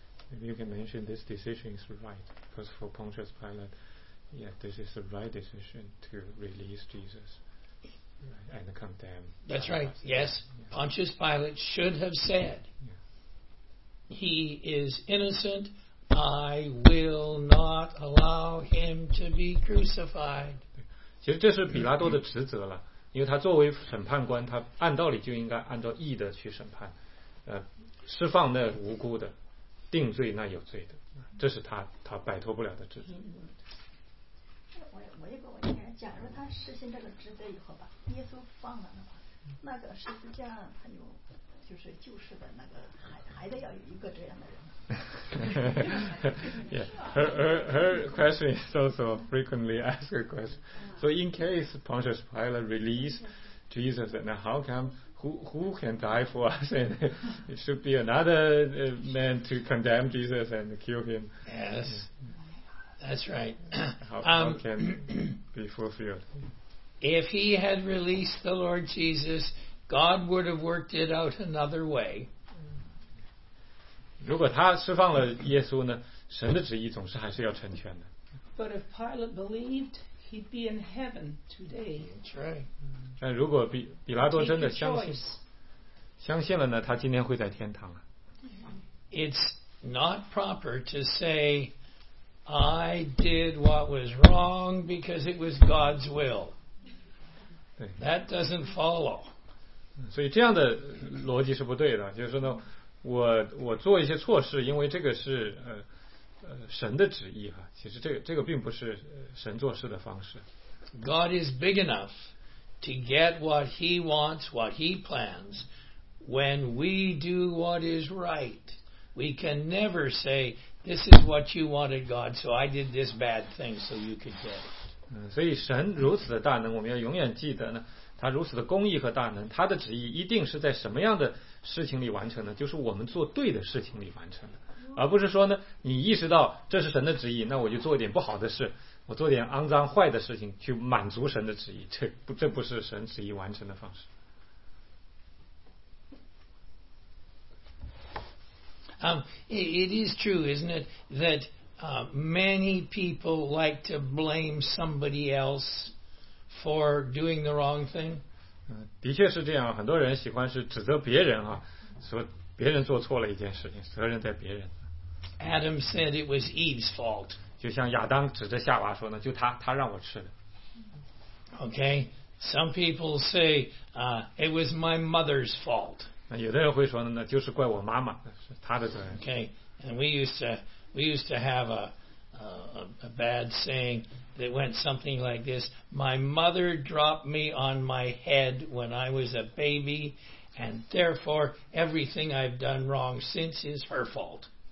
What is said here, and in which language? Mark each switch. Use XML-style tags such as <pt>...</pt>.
<en>Maybe you can mention this decision is right. Because for Pontius Pilate, yeah, this is the right decision to release Jesus and condemn. That's right. Yes. Yeah. Pontius Pilate should have said, yeah. He is innocent. I will not allow him to be crucified.</en> <zh>其实这是比拉多的职责了。因为他作为审判官，他按道理就应该按照义的去审判，释放那无辜的，定罪那有罪的，这是他摆脱不了的职责。我一个问题，假如他实行这个职责以后吧，耶稣放了的话，那个十字架他有就是救世的那个还得要有一个这样的人。</zh> <en>Yeah, her question is also frequently asked a question. So in case Pontius Pilate release Jesus, then how come who can die for us? And it should be another man to condemn Jesus and kill him. Yes, that's right. How can be fulfilled? If he had released the Lord Jesus, God would have worked it out another way.</en> <zh>如果他释放了耶稣呢，神的旨意总是还是要成全的。</zh> <en>But if Pilate believed, he'd be in heaven today. That's right.</en> <zh>但如果比拉多真的相信了呢，他今天会在天堂了。</zh> <en>It's not proper to say, I did what was wrong because it was God's will. That doesn't follow.</en> <zh>所以这样的逻辑是不对的，就是说呢，我做一些错事，因为这个是神的旨意哈，其实这个并不是神做事的方式。</zh> <en>God is big enough to get what He wants, what He plans. When we do what is right, we can never say this is what you wanted, God. So I did this bad thing so you could get it.</en> <zh>所以神如此的大能，我们要永远记得呢，他如此的公义和大能，他的旨意一定是在什么样的事情里完成呢？就是我们做对的事情里完成的。而不是说呢，你意识到这是神的旨意，那我就做一点不好的事，我做点肮脏坏的事情去满足神的旨意，这不是神旨意完成的方式。</zh> <en>It is true, isn't it, that many people like to blame somebody else for doing the wrong thing?</en> <zh>的确是这样，很多人喜欢是指责别人啊，说别人做错了一件事情，责任在别人。</zh> <en>Adam said it was Eve's fault.</en> <zh>就像亚当指着夏娃说呢，就他让我吃的。</zh> <en>Okay, some people say, it was my mother's fault.</en> <zh>那有的人会说呢，那就是怪我妈妈，是她的责任。</zh> <en>Okay, and we used to have a bad saying that went something like this: My mother dropped me on my head when I was a baby, and therefore everything I've done wrong since is her fault.</en>